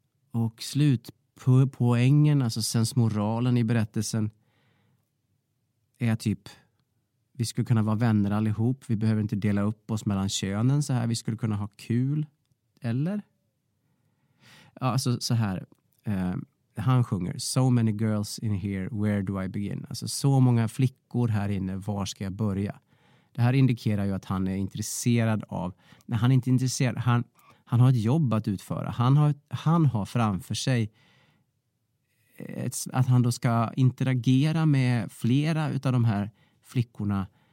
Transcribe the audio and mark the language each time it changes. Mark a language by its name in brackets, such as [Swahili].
[Swedish] Och slutpoängen, alltså sensmoralen i berättelsen, är typ, vi skulle kunna vara vänner allihop, vi behöver inte dela upp oss mellan könen så här, vi skulle kunna ha kul, eller? Ja, alltså så här... Han sjunger, [English] so many girls in here, where do I begin? [Swedish] Alltså så många flickor här inne, var ska jag börja? Det här indikerar ju att han är intresserad av, nej han är inte intresserad, han har ett jobb att utföra. Han har framför sig att han då ska interagera med flera utav de här flickorna.